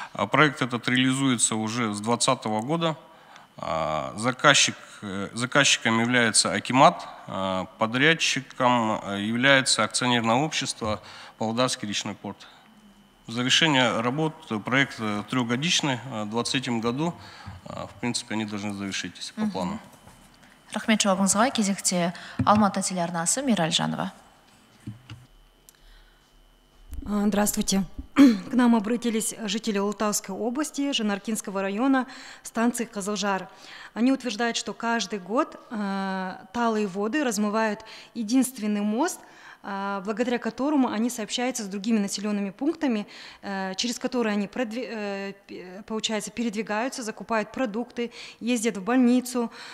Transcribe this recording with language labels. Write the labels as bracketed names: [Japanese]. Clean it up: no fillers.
[Russian] Проект этот реализуется уже с 2020 года. Заказчиком является Акимат, подрядчиком является акционерное общество «Павлодарский речной порт». Завершение работ, проект трехгодичный, в 2023 году, в принципе, они должны завершиться по плану. [Kazakh] Рахмет жауабыңызға, кезекте Алматы телеарнасы Мираль Жанова. [Russian] Здравствуйте. К нам обратились жители Алтайской области, Жанаркинского района, станции Кызылжар. Они утверждают, что каждый год талые воды размывают единственный мост, благодаря которому они сообщаются с другими населенными пунктами, через которые они, получается, передвигаются, закупают продукты, ездят в больницу.